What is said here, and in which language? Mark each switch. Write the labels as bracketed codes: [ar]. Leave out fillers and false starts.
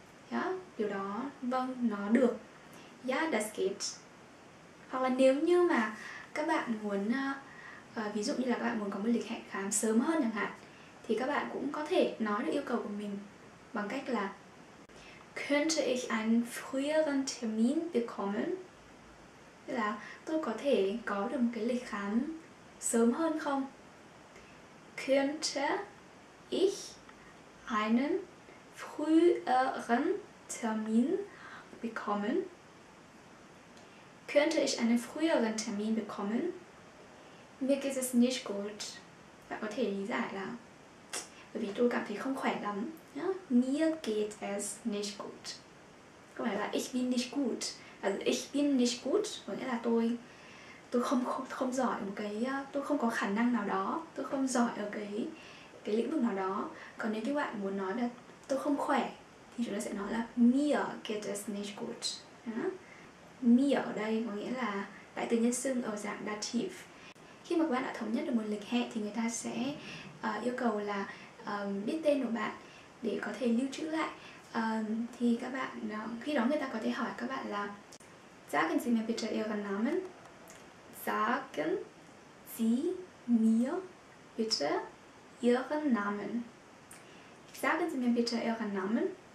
[vi] Ja, điều đó, vâng, nó được. [de] Ja, das geht. [vi] Hoặc là nếu như mà các bạn muốn ví dụ như là các bạn muốn có một lịch hẹn khám sớm hơn chẳng hạn thì các bạn cũng có thể nói được yêu cầu của mình bằng cách là [de] könnte ich einen früheren Termin bekommen? [vi] Tức là tôi có thể có được một cái lịch khám sớm hơn không? [de] Könnte ich einen früheren Termin bekommen? Könnte ich einen früheren Termin bekommen? Mir geht es nicht gut. [vi] Bạn có thể lý giải là bởi vì tôi cảm thấy không khỏe lắm. [de] Mir geht es nicht gut. [vi] Có nghĩa là [de] ich bin nicht gut. Also ich bin nicht gut [vi] có nghĩa là tôi không giỏi một cái, tôi không có khả năng nào đó, tôi không giỏi ở cái lĩnh vực nào đó. Còn nếu các bạn muốn nói là tôi không khỏe thì chúng ta sẽ nói là [de] mir geht es nicht gut. [vi] Mir ở đây có nghĩa là đại từ nhân xưng ở dạng dativ. Khi mà các bạn đã thống nhất được một lịch hẹn thì người ta sẽ yêu cầu là biết tên của bạn để có thể lưu trữ lại. Thì các bạn khi đó người ta có thể hỏi các bạn là [de] Sagen Sie mir bitte Ihren Namen. Sagen Sie mir bitte Ihren Namen. Sagen Sie mir bitte Ihren Namen.